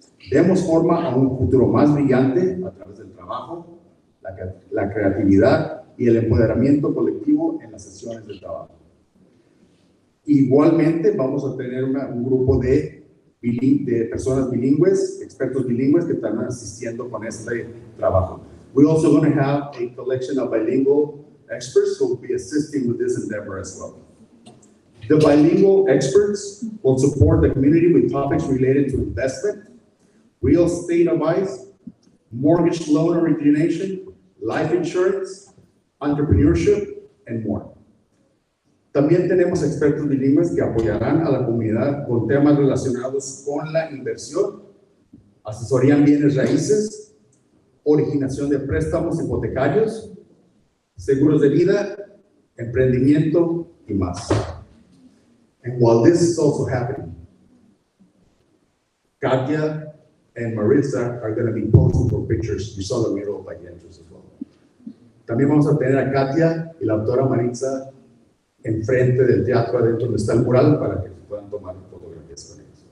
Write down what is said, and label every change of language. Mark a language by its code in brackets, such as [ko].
[es] Demos forma a un futuro más brillante a través del trabajo, la creatividad y el empoderamiento colectivo en las sesiones de trabajo. Igualmente, vamos a tener un grupo de personas bilingües, expertos bilingües, que están asistiendo con este trabajo. [en] We're also going to have a collection of bilingual experts who will be assisting with this endeavor as well. The bilingual experts will support the community with topics related to investment, real estate advice, mortgage loan origination, life insurance, entrepreneurship, and more. [es] También tenemos expertos bilingües que apoyarán a la comunidad con temas relacionados con la inversión, asesoría en bienes raíces, originación de préstamos hipotecarios, seguros de vida, emprendimiento y más. [en] And while this is also happening, Katia and Marissa are going to be posing for pictures. You saw the mural by the entrance as well. [es] También vamos a tener a Katia y la doctora Marissa enfrente del teatro, adentro donde está el mural, para que puedan tomar fotografías con ellos.